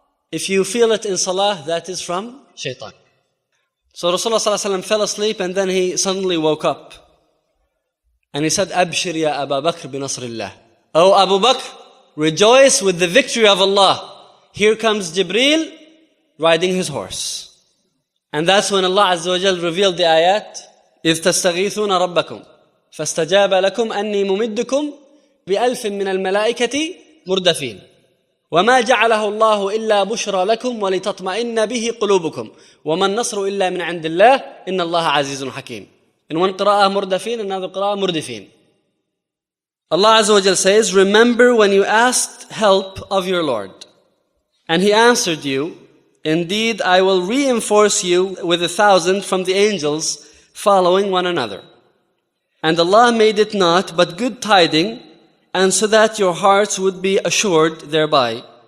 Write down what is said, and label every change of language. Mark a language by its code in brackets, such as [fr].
[en] If you feel it in salah, that is from shaitan. So Rasulullah ﷺ fell asleep and then he suddenly woke up. And he said, [ar] Abshir ya Abu Bakr bi Nasrillah. [en] O Abu Bakr, rejoice with the victory of Allah. Here comes Jibreel riding his horse. And that's when Allah Azza wa Jal revealed the ayat, [ar] إِذْ تَسْتَغِيثُونَ رَبَّكُمْ فَاسْتَجَابَ لَكُمْ أَنِّي مُمِدُّكُمْ بِأَلْفٍ مِّنَ الْمَلَائِكَةِ مُرْدَفِينَ وَمَا جَعَلَهُ اللَّهُ إِلَّا بُشْرَ لَكُمْ وَلِتَطْمَئِنَّ بِهِ قُلُوبُكُمْ وَمَا النَّصْرُ إِلَّا مِنْ عِنْدِ اللَّهِ إِنَّ اللَّهَ عَزِيزٌ حَكِيمٌ. [en] In one qira'ah murdafin, another qira'ah murdifin. Allah Azza wa Jal says, remember when you asked help of your Lord. And He answered you, indeed I will reinforce you with 1,000 from the angels following one another. And Allah made it not but good tiding, and so that your hearts would be assured thereby.